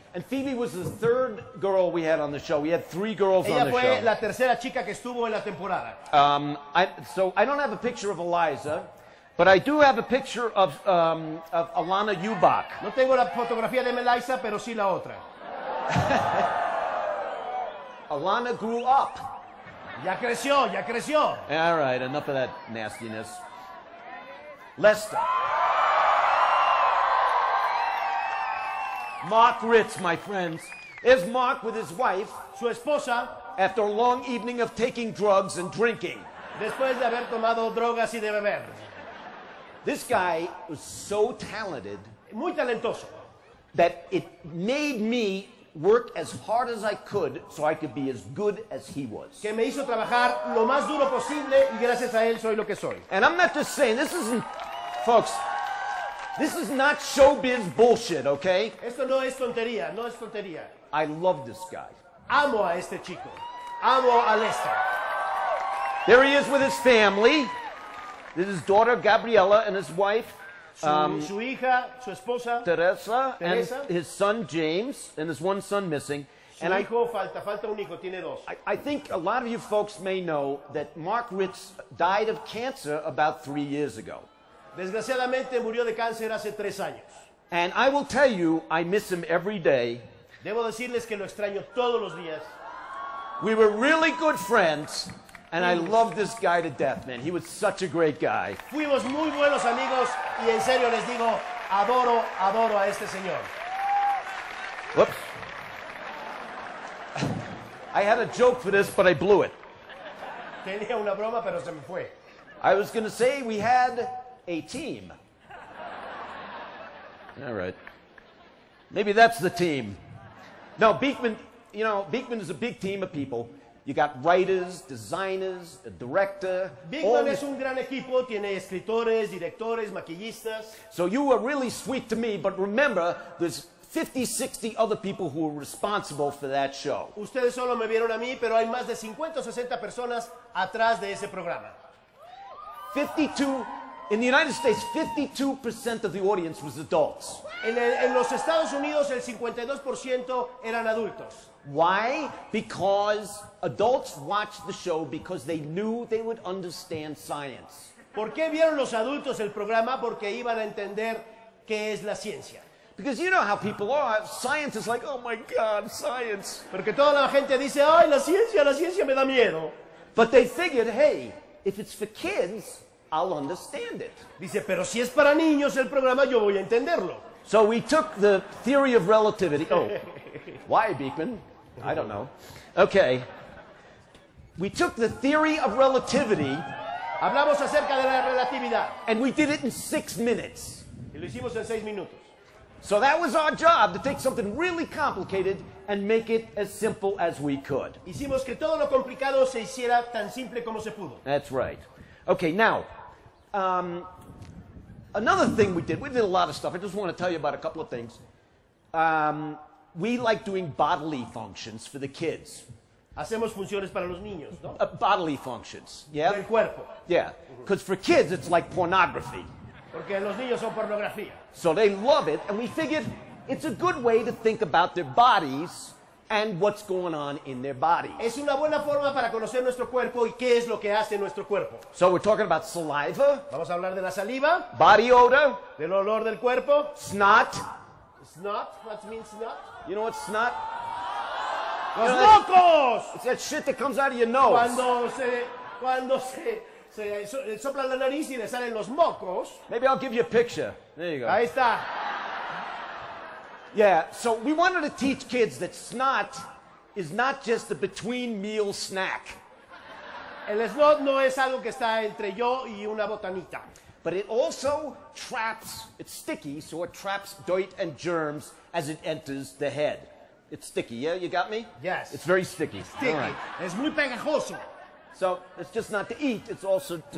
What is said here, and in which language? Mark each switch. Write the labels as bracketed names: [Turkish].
[English] And Phoebe was the third girl we had on the show. We had three girls [Spanish] ella [English] on the show. [Spanish] Ella fue la tercera chica que estuvo en la temporada. [English] I don't have a picture of Eliza, but I do have a picture of Alana Ubach. [Spanish] No tengo la fotografía de Eliza, pero sí la otra. [English] Alana grew up. [Spanish] Ya creció. [English] All right, enough of that nastiness. Lester. Mark Ritz, my friends. There's Mark with his wife. [Spanish] Su esposa. [English] After a long evening of taking drugs and drinking. [Spanish] Después de haber tomado drogas y de beber. [English] This guy was so talented. [Spanish] Muy talentoso. [English] That it made me work as hard as I could so I could be as good as he was. [Spanish] Que me hizo trabajar lo más duro posible y gracias a él soy lo que soy. [English] And I'm not just saying, this isn't, folks, This is not showbiz bullshit, okay? [Spanish] Esto no es tontería, no es tontería. [English] I love this guy. [Spanish] Amo a este chico. Amo a Lester. [English] There he is with his family. This is daughter Gabriela and his wife. [Spanish] Su hija, su esposa. Teresa. [English] And his son James and his one son missing. [Spanish] Su hijo falta un hijo, tiene dos. [English] I think a lot of you folks may know that Mark Ritz died of cancer about 3 years ago. [Spanish] Desgraciadamente murió de cáncer hace 3 años. [English] And I will tell you, I miss him every day. [Spanish] Debo decirles que lo extraño todos los días. [English] We were really good friends, and I love this guy to death, man. He was such a great guy. [Spanish] Fuimos muy buenos amigos, y en serio les digo, adoro a este señor. [English] Whoops. I had a joke for this, but I blew it. [Spanish] Tenía una broma, pero se me fue. [English] I was going to say we had a team. All right. Maybe that's the team. No, Beakman, you know, Beakman is a big team of people. You got writers, designers, a director. [Spanish] Beakman es un gran equipo. Tiene escritores, directores, maquillistas. [English] So you were really sweet to me, but remember, there's 50, 60 other people who were responsible for that show. [Spanish] Ustedes solo me vieron a mí, pero hay más de 50 o 60 personas atrás de ese programa. [English] 52, in the United States, 52% of the audience was adults. [Spanish] En los Estados Unidos, el 52% eran adultos. [English] Why? Because adults watched the show because they knew they would understand science. [Spanish] ¿Por qué vieron los adultos el programa? Porque iban a entender qué es la ciencia. [English] Because you know how people are. Science is like, oh my God, science. [Spanish] Porque toda la gente dice, ay, la ciencia me da miedo. [English] But they figured, hey, if it's for kids, I'll understand it. [Spanish] Dice, pero si es para niños el programa, yo voy a entenderlo. [English] So we took the theory of relativity. Oh, why, Beakman? I don't know. Okay. We took the theory of relativity. [Spanish] Hablamos acerca de la relatividad. [English] And we did it in 6 minutes. [Spanish] Y lo hicimos en 6 minutos. [English] So that was our job, to take something really complicated and make it as simple as we could. [Spanish] Hicimos que todo lo complicado se hiciera tan simple como se pudo. [English] That's right. Okay, now, another thing we did a lot of stuff. I just want to tell you about a couple of things. We like doing bodily functions for the kids. [Spanish] Hacemos funciones para los niños, ¿no? [English] Bodily functions, yeah? [Spanish] Del cuerpo. [English] Yeah, because for kids it's like pornography. [Spanish] Porque los niños son pornografía. [English] So they love it, and we figured it's a good way to think about their bodies and what's going on in their bodies. [Spanish] Es una buena forma para conocer nuestro cuerpo y qué es lo que hace nuestro cuerpo. [English] So we're talking about saliva. [Spanish] Vamos a hablar de la saliva. [English] Body odor. [Spanish] Del olor del cuerpo. [English] Snot. Snot? What means snot? You know what snot? [Spanish] Los locos! [English] It's that shit that comes out of your nose. [Spanish] Cuando se sopla la nariz y le salen los mocos. [English] Maybe I'll give you a picture. There you go. [Spanish] Ahí está. [English] Yeah, so we wanted to teach kids that snot is not just a between-meal snack. [Spanish] El snot no es algo que está entre yo y una botanita. [English] But it also traps, it's sticky, so it traps dirt and germs as it enters the head. It's sticky, yeah? You got me? Yes. It's very sticky. Sticky. All right. [Spanish] Es muy pegajoso. [English] So, it's just not to eat, it's also to...